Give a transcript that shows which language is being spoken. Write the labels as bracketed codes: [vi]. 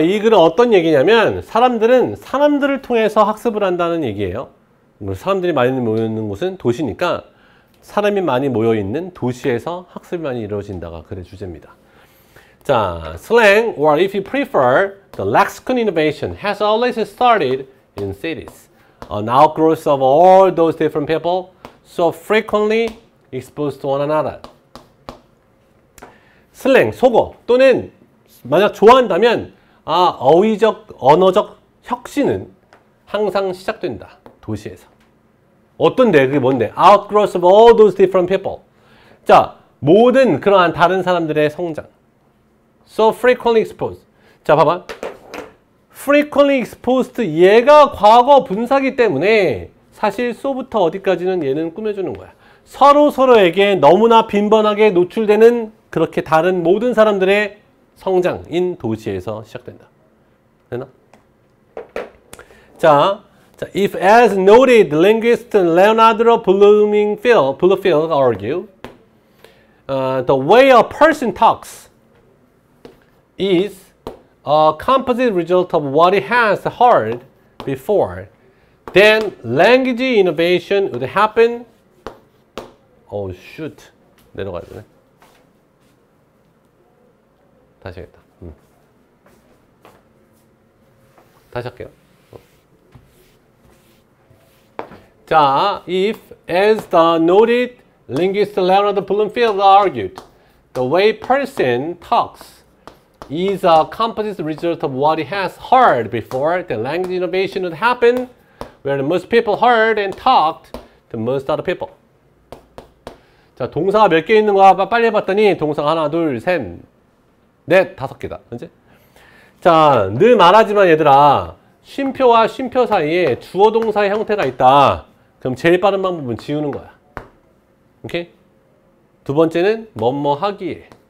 [ko] 이 글은 어떤 얘기냐면 사람들은 사람들을 통해서 학습을 한다는 얘기예요. 사람들이 많이 모이는 곳은 도시니까 사람이 많이 모여 있는 도시에서 학습이 많이 이루어진다가 글의 주제입니다. [en] 자, slang or if you prefer, the lexicon innovation has always started in cities. An outgrowth of all those different people so frequently exposed to one another. [ko] slang, 속어 또는 만약 좋아한다면 어휘적, 언어적 혁신은 항상 시작된다. 도시에서. 어떤데? 그게 뭔데? [en] Outgrowth of all those different people. [ko] 자, 모든 그러한 다른 사람들의 성장. [en] So frequently exposed. [ko] 자, 봐봐. [en] Frequently exposed. [ko] 얘가 과거 분사기 때문에 사실 so부터 어디까지는 얘는 꾸며주는 거야. 서로 서로에게 너무나 빈번하게 노출되는 그렇게 다른 모든 사람들의 성장인 도시에서 시작된다. 되나? [en] 자, if as noted linguist Leonardo Bloomfield argue, the way a person talks is a composite result of what he has heard before, then language innovation would happen. Oh, shoot. [ko] 내려가야 되네. 다시 하겠다. 다시 할게요. [en] 자, if as the noted linguist Leonard Bloomfield argued, the way person talks is a composite result of what he has heard before, the language innovation would happen where the most people heard and talked to most other people. [ko] 자, 동사가 몇개 있는 거야? 빨리 해봤더니 동사가 하나, 둘, 셋. 넷, 다섯 개다. 그치? 자, 늘 말하지만 얘들아, 쉼표와 쉼표 사이에 주어 동사의 형태가 있다. 그럼 제일 빠른 방법은 지우는 거야. 오케이? 두 번째는 뭐뭐 하기에.